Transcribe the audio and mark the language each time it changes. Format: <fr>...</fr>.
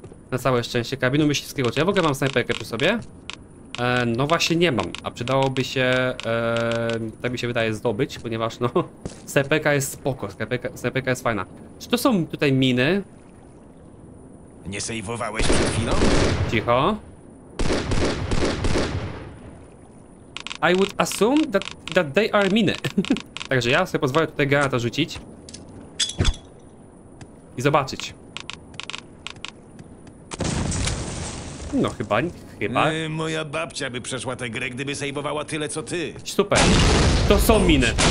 <pl>Na całe szczęście kabinu myśliwskiego. Czy ja w ogóle mam snajperkę przy sobie? No właśnie nie mam. A przydałoby się... tak mi się wydaje zdobyć, ponieważ no... Snajperka jest spoko. Snajperka jest fajna. Czy to są tutaj miny? Nie sejwowałeś przed chwilą? Cicho.</pl> <en>I would assume that they are mine.</en> <pl>Także ja sobie pozwolę tutaj granata rzucić. I zobaczyć. No chyba. Moja babcia by przeszła tę grę, gdyby sejwowała tyle co ty. Super. To są miny.</pl>